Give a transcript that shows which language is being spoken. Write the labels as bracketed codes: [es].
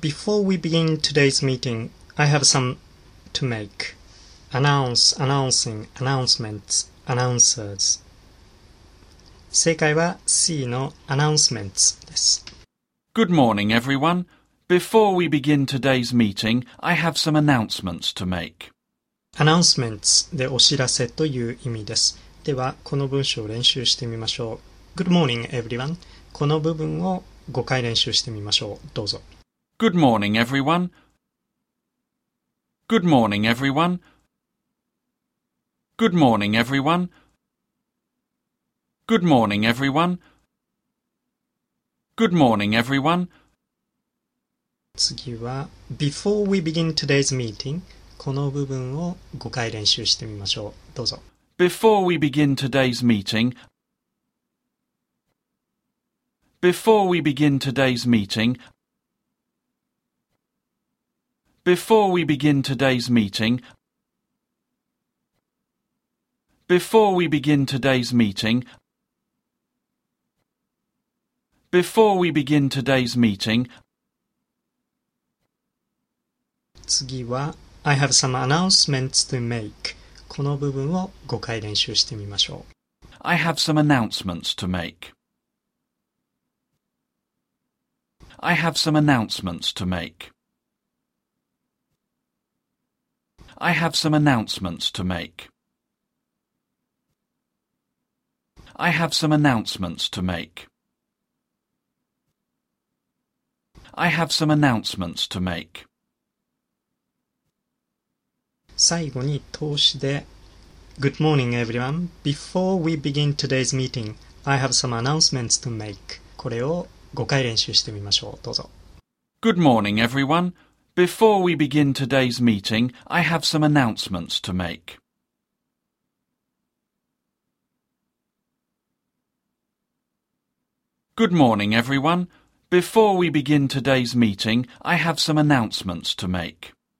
[en] Before we begin today's meeting, I have some to make. Announce, announcing, announcements, announcers. [ja] 正解は C の announcements です。 [en] Good morning, everyone. Before we begin today's meeting, I have some announcements to make. [ja] Announcements でお知らせという意味です。ではこの文章を練習してみましょう。 [en] Good morning, everyone. [ja] この部分を5回練習してみましょう。どうぞ。 [en] Good morning, everyone. Good morning, everyone. Good morning, everyone. Good morning, everyone. Good morning, everyone. [ja] 次は、 [en] Before we begin today's meeting, [ja] この部分を5回練習してみましょう。どうぞ。 [en] Before we begin today's meeting,Before we begin today's meeting, before we begin today's meeting, before we begin today's meeting, before we begin today's meeting, [ja] 次は [en] I have some announcements to make. [ja] この部分を5回練習してみましょう。 [en] I have some announcements to make. I have some announcements to make. I have some announcements to make. I have some announcements to make. I have some announcements to make. [ja] 最後に通しで [en] Good morning, everyone. Before we begin today's meeting, I have some announcements to make. [ja] これを5回練習してみましょう。どうぞ。 [en] Good morning, everyone. Before we begin today's meeting, I have some announcements to make. Good morning, everyone. Before we begin today's meeting, I have some announcements to make.